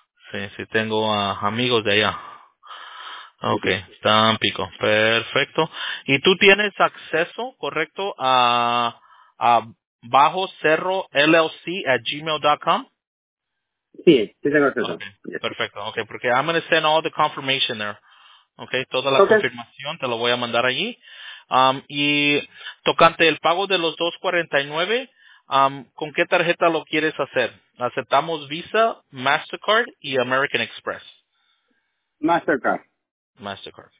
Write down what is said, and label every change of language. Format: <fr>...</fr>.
<es>Sí, tengo amigos de allá. Okay, Tampico, perfecto. ¿Y tú tienes acceso, correcto, a bajocerrollc@gmail.com? Sí, tengo acceso.</es> <en>Okay, yes.</en> <es>Perfecto,</es> <en>okay,</en> <es>porque</es> <en>I'm going to send all the confirmation there.</en> <es>Okay, toda la confirmación te lo voy a mandar allí. Y tocante el pago de los $249, ¿con qué tarjeta lo quieres hacer? ¿Aceptamos Visa, Mastercard y American Express? Mastercard.</es>